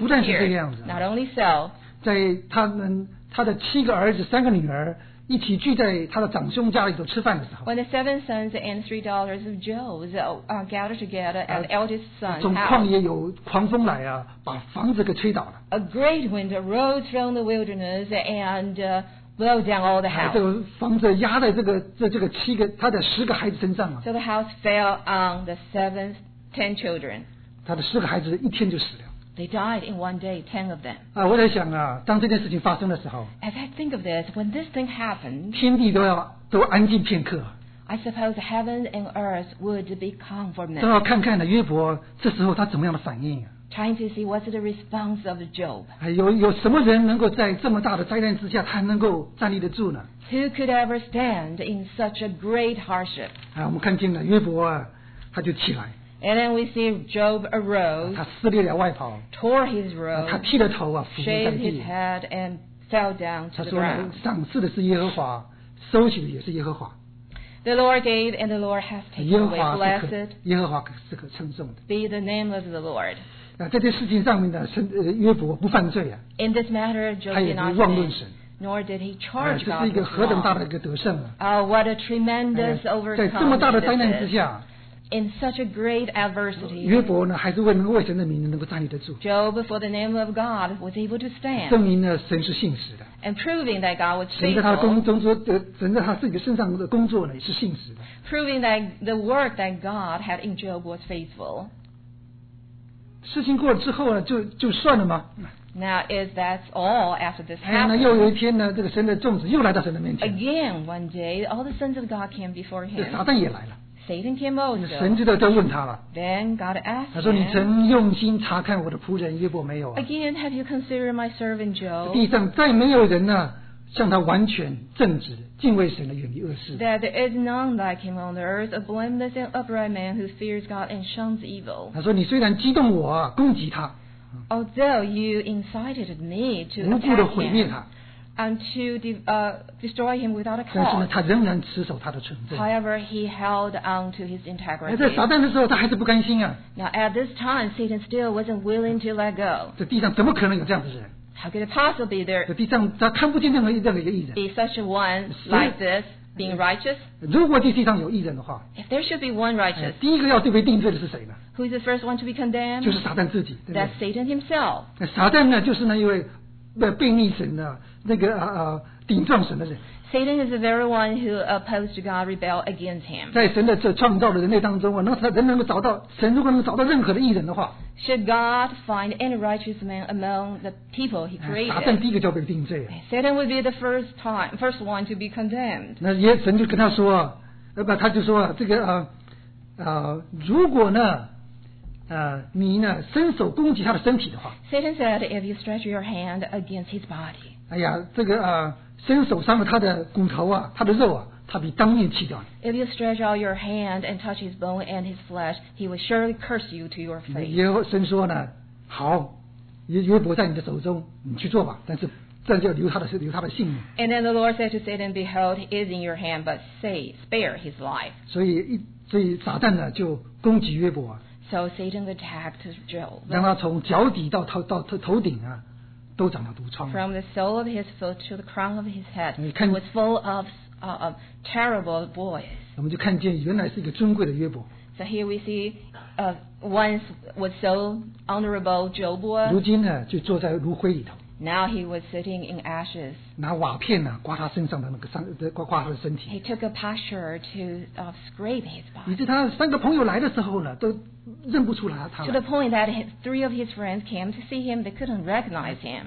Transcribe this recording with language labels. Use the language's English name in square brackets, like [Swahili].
[Chinese] 不但是这个样子。 [English] Not only so， [Chinese] 在他的七个儿子，三个女儿。一起聚在他的长兄家里头吃饭的时候 [English] ，When the seven sons and three daughters of Job's gathered together at the eldest son's house， [Chinese] 从旷野有狂风来啊，把房子给吹倒了。 [English] A great wind arose from the wilderness and blew down all the house。 [Chinese] 这个房子压在这个七个他的十个孩子身上了。 [English] So the house fell on the seven ten children。 [Chinese] 他的十个孩子一天就死了。 [English] They died in one day, 10 of them. [Chinese] 我在想啊，当这件事情发生的时候 [English] ，As I think of this, when this thing happened, [Chinese] 天地都安静片刻。 [English] I suppose heaven and earth would be calm for a minute. [Chinese] 都要看看呢，约伯这时候他怎么样的反应 [English] ？Trying to see what's the response of Job. [Chinese] 有什么人能够在这么大的灾难之下，他能够站立得住呢 [English] ？Who could ever stand in such a great hardship? [Chinese] 我们看见了约伯他就起来。 [English] And then we see Job arose. [Chinese] 他撕裂了外袍。 [English] Tore his robe. [Chinese] 他剃了头啊，伏在地。 [English] Shaved his head and fell down to the ground. [Chinese] 他说：“赏赐的是耶和华，收取的也是耶和华。” [English] The Lord gave and the Lord has taken away. Blessed. [Chinese] 耶和华是可称颂的。 [English] Be the name of the Lord. [Chinese] 那这件事情上面呢，约伯不犯罪啊。 [English] In this matter, Job did not sin. [Chinese] 他也不妄论神。 [English] Nor did he charge God. [Chinese] 这是一个何等大的一个得胜啊！ [English] What a tremendous overcome! [Chinese] 在这么大的灾难之下， [English] in such a great adversity, [Chinese] 约伯呢还是为神的名能够站立得住。 [English] Job, for the name of God, was able to stand. [Chinese] 证明了神是信实的。 [English] And proving that God was faithful. [Chinese] 神在他工中说，神在他自己身上的工作呢也是信实的。 [English] Proving that the work that God had in Job was faithful. [Chinese] 事情过了之后呢，就算了吗？ [English] Now is that all after this happened? [Chinese] 那又有一天呢，这个神的众子又来到神的面前。 [English] Again, one day, all the sons of God came before him. [Chinese] 撒旦也来了。 [English] Satan came also. [Chinese] 神知道就问他了。 [English] Then God asked. [Chinese] 他说：“你曾用心查看我的仆人约伯没有啊？” [English] Again, have you considered my servant Job? [Chinese] 地上再没有人呢，像他完全正直、敬畏神的，远离恶事。 [English] That there is none like him on the earth, a blameless and upright man who fears God and shuns evil. [Chinese] 他说：“你虽然激动我，攻击他。” [English] Although you incited me to attack him and to destroy him without a cause, [Chinese] 但是呢，他仍然持守他的纯正。 [English] However, he held on to his integrity. [Chinese] 在撒旦的时候，他还是不甘心啊。 [English] Now at this time, Satan still wasn't willing to let go. [Chinese] 这地上怎么可能有这样的人？ [English] How could it possibly be there? [Chinese] 这地上他看不见任何义人。 [English] Be such a one like this, being righteous. [Chinese] 如果这地上有义人的话， [English] if there should be one righteous, [Chinese] 第一个要对被定罪的是谁呢？ [English] Who is the first one to be condemned? [Chinese] 就是撒旦自己，对不对？ [English] That's Satan himself. [Chinese] 那撒旦呢，就是那一位背逆神的，那个顶撞神的人。 [English] Satan is the very one who opposed God, rebelled against him. [Chinese] 在神的这创造的人类当中，那他人能够找到神，如果能找到任何的义人的话， [English] should God find any righteous man among the people he created? [Chinese] 撒旦第一个就被定罪。 [English] Satan would be the first one to be condemned. [Chinese] 那耶神就跟他说，不，他就说这个如果呢？你呢伸手攻击他的身体的话， [English] Satan said, if you stretch your hand against his body, [Chinese] 哎呀，这个伸手伤了他的骨头啊，他的肉啊，他必当面弃掉你。 [English] If you stretch out your hand and touch his bone and his flesh, he will surely curse you to your face. [Chinese] 耶和神说呢，好，约伯在你的手中，你去做吧，但就要留他的性命。 [English] And then the Lord said to Satan, behold, he is in your hand, but say, spare his life. [Chinese] 所以撒旦呢就攻击约伯啊。 [English] So Satan attacked Job. [Chinese] 让他从脚底到头顶啊，都长了毒疮。 [English] From the sole of his foot to the crown of his head, he was full of terrible boils. [Chinese] 我们就看见原来是一个尊贵的约伯。 [English] So here we see, once was so honorable Job. [Chinese] 如今呢，就坐在炉灰里头。 [English] Now he was sitting in ashes. [Chinese] 拿瓦片呢、啊，刮他身上的那个伤，刮他的身体。 [English] He took a pasture to scrape his body. [Chinese] 以致他三个朋友来的时候呢，都认不出来他。 [English] To the point that three of his friends came to see him, they couldn't recognize him.